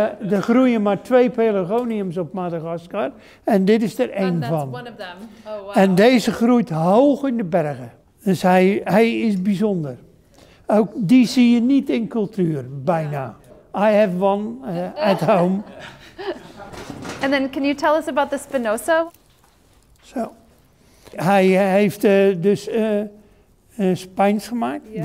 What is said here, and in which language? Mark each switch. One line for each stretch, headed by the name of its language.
Dutch: Er groeien maar twee pelargoniums op Madagaskar. En dit is er één van.
English: That's one of them. Oh, wow.
Dutch: En deze groeit hoog in de bergen. Dus hij is bijzonder. Ook die zie je niet in cultuur, bijna.
English: I have one at home. And then can you tell us about the Spinosa?
Dutch: So, hij heeft dus spines gemaakt, yeah.